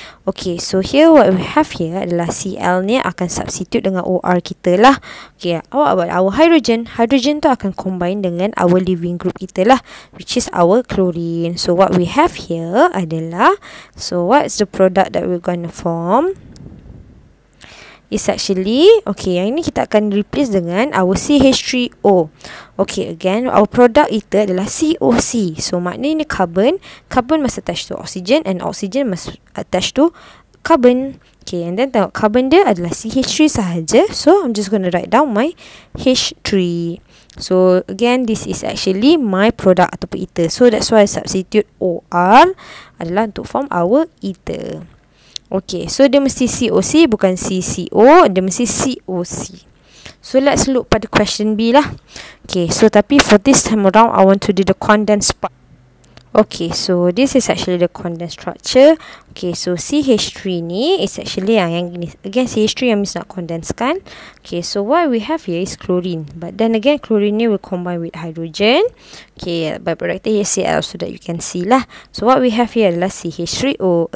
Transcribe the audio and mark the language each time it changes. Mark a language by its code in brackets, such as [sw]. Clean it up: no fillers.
[en] Okay, so here what we have here adalah Cl ni akan substitute dengan OR kita lah. Okay, what about our hydrogen? Hydrogen tu akan combine dengan our leaving group kita lah, which is our chlorine. So, what we have here adalah, so what's the product that we're going to form? Is actually, okay, yang ini kita akan replace dengan our CH3O. Okay, again, our product ether adalah COC. So, [ms] maknanya ini [en] carbon. Carbon must attach to oxygen and oxygen must attach to carbon. Okay, and then tengok carbon dia adalah CH3 sahaja. So, I'm just going to write down my H3. So, again, this is actually my product ataupun ether. So, that's why I substitute OR adalah untuk form our ether. [ms] Okay, so dia mesti COC, bukan CCO, dia mesti COC. [en] So, let's look pada question B lah. Okay, so tapi for this time around, I want to do the condensed part. Okay, so this is actually the condensed structure. Okay, so CH3 ni is actually yang ini. Again, CH3 yang mesti nak condense kan. Okay, so what we have here is chlorine. But then again, chlorine ni will combine with hydrogen. Okay, by product HCl so that you can see lah. So what we have here adalah CH3O.